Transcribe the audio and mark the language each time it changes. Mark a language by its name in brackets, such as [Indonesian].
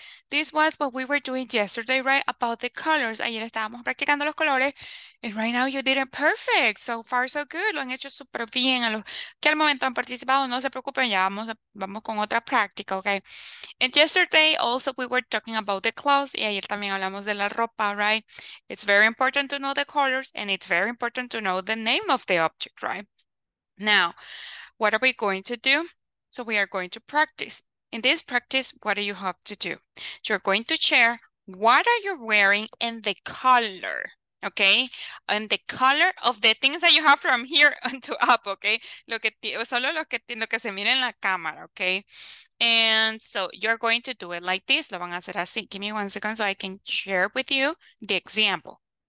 [English] This was what we were doing yesterday, right? About the colors. [Spanish] Ayer estábamos practicando los colores. [English] And right now you did it perfect. So far, so good. [Spanish] Lo han hecho súper bien. A los que al momento han participado, no se preocupen. Ya vamos con otra práctica, okay? [English] And yesterday, also, we were talking about the clothes. [Spanish] Y ayer también hablamos de la ropa, right? [English] It's very important to know the colors. And it's very important to know the name of the object, right? Now, what are we going to do? So we are going to practice. In this practice, what do you have to do? You're going to share what are you wearing and the color, okay? And the color of the things that you have from here onto up, okay? [Spanish] Lo que se mira en la cámara, okay? [English] And so you're going to do it like this. [Spanish] Lo van a hacer así. [English] Give me 1 second so I can share with you the example.